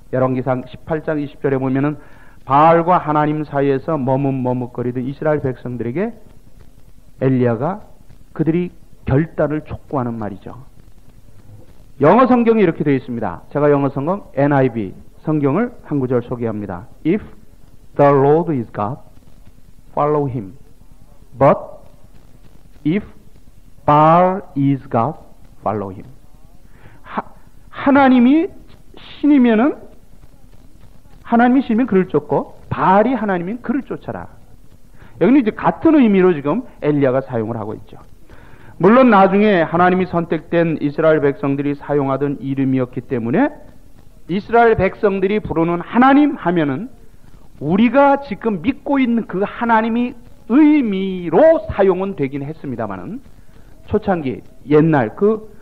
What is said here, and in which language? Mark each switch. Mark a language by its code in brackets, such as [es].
[ko] 열왕기상 18장 20절에 보면은 바알과 하나님 사이에서 머뭇머뭇거리던 이스라엘 백성들에게 엘리야가 그들이 결단을 촉구하는 말이죠. 영어 성경이 이렇게 되어 있습니다. 제가 영어 성경 NIV 성경을 한 구절 소개합니다. [en] If the Lord is God, follow him. But if Baal is God, follow him. [ko] 하나님이 신이면은 하나님이 신이면 그를 쫓고 바알이 하나님이면 그를 쫓아라. 여기는 이제 같은 의미로 지금 엘리야가 사용을 하고 있죠. 물론 나중에 하나님이 선택된 이스라엘 백성들이 사용하던 이름이었기 때문에 이스라엘 백성들이 부르는 하나님 하면은 우리가 지금 믿고 있는 그 하나님이 의미로 사용은 되긴 했습니다만은 초창기 옛날 그